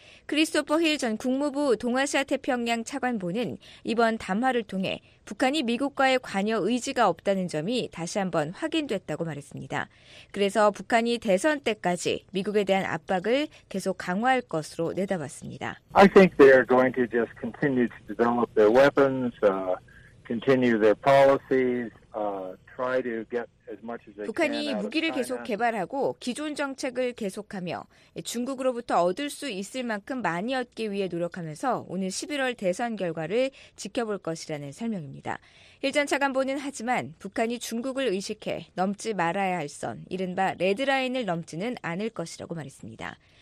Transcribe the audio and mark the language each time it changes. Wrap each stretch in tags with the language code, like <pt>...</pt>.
<ko>크리스토퍼 힐 전 국무부 동아시아태평양 차관보는 이번 담화를 통해 북한이 미국과의 관여 의지가 없다는 점이 다시 한번 확인됐다고 말했습니다. 그래서 북한이 대선 때까지 미국에 대한 압박을 계속 강화할 것으로 내다봤습니다.</ko> <en>I think they are going to just continue to develop their weapons, continue their policies, try to get as much as they can.</en> <ko>북한이 무기를 계속 개발하고 기존 정책을 계속하며 중국으로부터 얻을 수 있을 만큼 많이 얻기 위해 노력하면서 오늘 11월 대선 결과를 지켜볼 것이라는 설명입니다. 일전 차관보는 하지만 북한이 중국을 의식해 넘지 말아야 할 선, 이른바 레드라인을 넘지는 않을 것이라고 말했습니다.</ko>